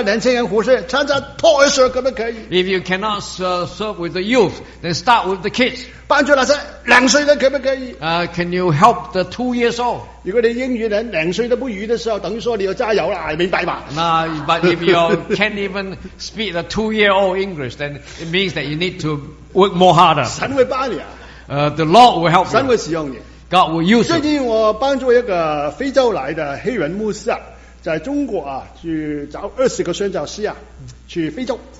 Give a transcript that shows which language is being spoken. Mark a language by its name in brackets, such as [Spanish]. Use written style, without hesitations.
[English] If you cannot serve with the youth, then start with the kids. Can you help the 2 years old? [Chinese] 如果你英语连两岁都不语的时候，等于说你要加油了，明白吧？ [English] But if you can't even speak the 2 year old English, then it means that you need to work more harder. The Lord will help you. God will use it. [Chinese] 最近我帮助一个非洲来的黑人牧师啊，在中国啊去找20个宣教师啊，去非洲。